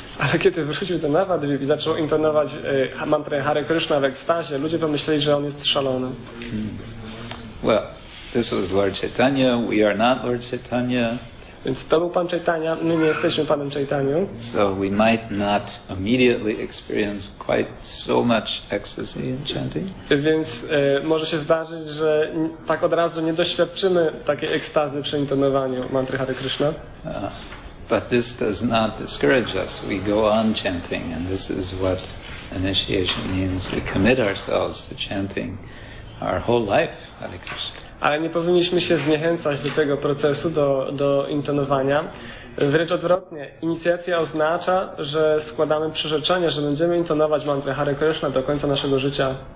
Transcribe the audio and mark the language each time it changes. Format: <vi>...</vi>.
<pl>Ale kiedy wrócił do Navadvip i zaczął intonować mantrę Hare Krishna w ekstazie, ludzie pomyśleli, że on jest szalony.</pl> <en>Well, this was Lord Chaitanya. We are not Lord Chaitanya.</en> <pl>Więc to był Pan Chaitanya, my nie jesteśmy Panem Chaitanią.</pl> <en>So we might not immediately experience quite so much ecstasy in chanting.</en> <pl>Więc może się zdarzyć, że tak od razu nie doświadczymy takiej ekstazy przy intonowaniu mantry Hare Krishna.</pl> <en>But this does not discourage us. We go on chanting, and this is what initiation means. We commit ourselves to chanting our whole life, Hare Krishna.</en> <pl>Ale nie powinniśmy się zniechęcać do tego procesu, do intonowania. Wręcz odwrotnie, inicjacja oznacza, że składamy przyrzeczenie, że będziemy intonować mantrę Hare Krishna do końca naszego życia.</pl>